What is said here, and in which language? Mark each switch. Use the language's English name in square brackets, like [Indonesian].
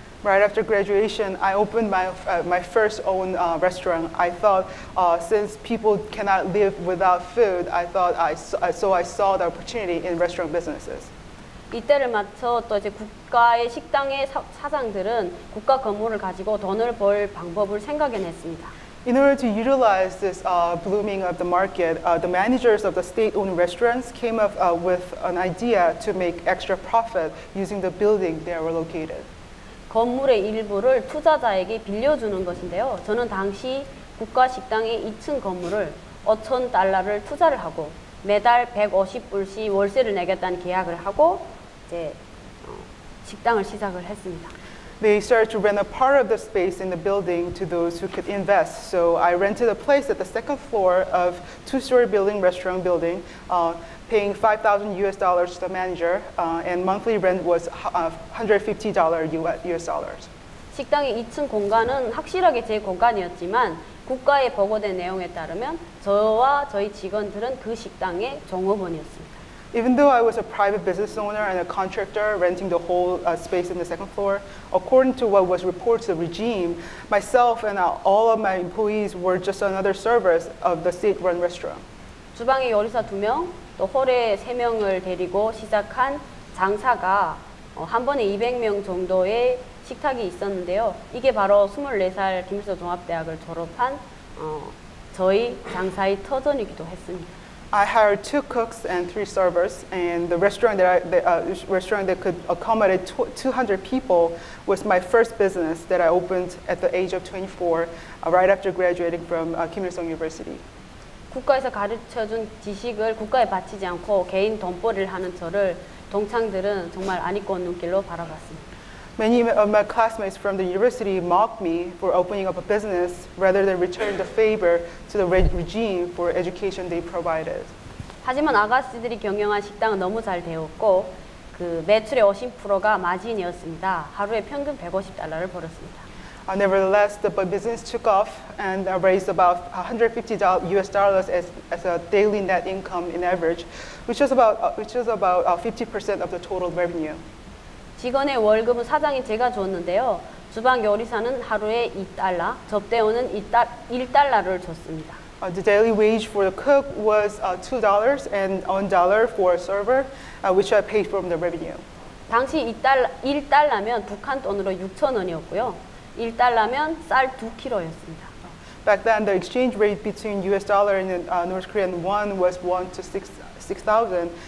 [English] Right after graduation, I opened my first own restaurant. I thought since people cannot live without food, I saw the opportunity in restaurant businesses. [Korean] 이때를 맞춰 또 이제 국가의 식당의 사장들은 국가 건물을 가지고 돈을 벌 방법을 생각해냈습니다. [English] In order to utilize this blooming of the market, the managers of the state-owned restaurants came up with an idea to make extra profit using the building they were located. [Korean] 건물의 일부를 투자자에게 빌려주는 것인데요. 저는 당시 국가 식당의 2층 건물을 5천 달러를 투자를 하고 매달 150불씩 월세를 내겠다는 계약을 하고 이제 식당을 시작을 했습니다. [English] They started to rent a part of the space in the building to those who could invest. So I rented a place at the second floor of two-story building, restaurant building, paying $5,000 to the manager, and monthly rent was $150. [Korean] 식당의 2층 공간은 확실하게 제 공간이었지만 국가에 보고된 내용에 따르면 저와 저희 직원들은 그 식당의 종업원이었습니다. [English] Even though I was a private business owner and a contractor renting the whole space in the second floor, according to what was reported to the regime, myself and all of my employees were just another service of the state-run restaurant. [Korean] 주방에 요리사 두 명, 또 홀에 세 명을 데리고 시작한 장사가 한 번에 200명 정도의 식탁이 있었는데요. 이게 바로 24살 김일성 종합대학을 졸업한 저희 장사의 터전이기도 했습니다. [English] I hired two cooks and three servers, and the restaurant that could accommodate 200 people was my first business that I opened at the age of 24, right after graduating from Kim Il-sung University. [Korean] 국가에서 가르쳐준 지식을 국가에 바치지 않고 개인 돈벌이를 하는 저를 동창들은 정말 안 잊고 눈길로 바라봤습니다. [English] Many of my classmates from the university mocked me for opening up a business rather than return the favor to the regime for education they provided. [Korean] 하지만 아가씨들이 경영한 식당은 너무 잘 되었고 그 매출의 50%가 마진이었습니다. 하루에 평균 $150를 벌었습니다. [English] Nevertheless, the business took off and raised about $150 as a daily net income in average, which was about 50% of the total revenue. [Korean] 직원의 월급은 사장인 제가 주었는데요. 주방 요리사는 하루에 $2, 접대원은 $1를 줬습니다. [English] The daily wage for the cook was $2 and $1 for a server, which I paid from the revenue. [Korean] 당시 $1면 북한 돈으로 6,000원이었고요. $1면 쌀 2kg였습니다. [English] Back then, the exchange rate between US dollar and North Korean won was 1 to 6,000.